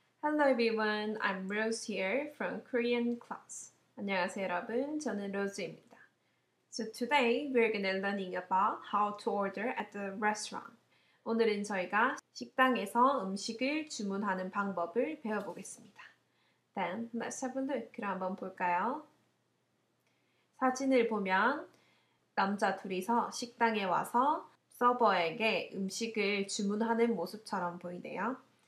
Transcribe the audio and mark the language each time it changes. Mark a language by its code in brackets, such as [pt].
[en] Hello everyone, I'm Rose here from Korean class. [ko] 안녕하세요 여러분, 저는 로즈입니다. [en] So today we're going to be learning about how to order at the restaurant. [ko] 오늘은 저희가 식당에서 음식을 주문하는 방법을 배워보겠습니다. [en] Then let's have a look. [ko] 그럼 한번 볼까요? 사진을 보면 남자 둘이서 식당에 와서 서버에게 음식을 주문하는 모습처럼 보이네요.